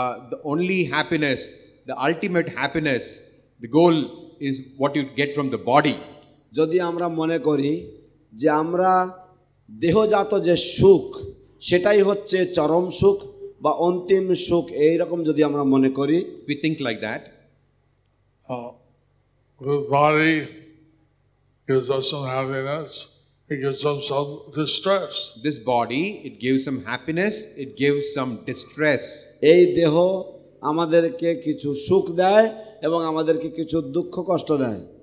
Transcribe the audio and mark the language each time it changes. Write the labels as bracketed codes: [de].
[en] The only happiness, the ultimate happiness, the goal is what you get from the body. [bn] যদি আমরা মনে করি যে আমরা দেহজাত যে সুখ সেটাই হচ্ছে চরম সুখ বা অন্তিম সুখ এইরকম যদি আমরা মনে করি [en] we think like that. The body gives us some happiness, it gives us some distress. This body, it gives some happiness, it gives some distress. [bn] এই দেহ আমাদেরকে কিছু সুখ দেয় এবং আমাদেরকে কিছু দুঃখ কষ্ট দেয়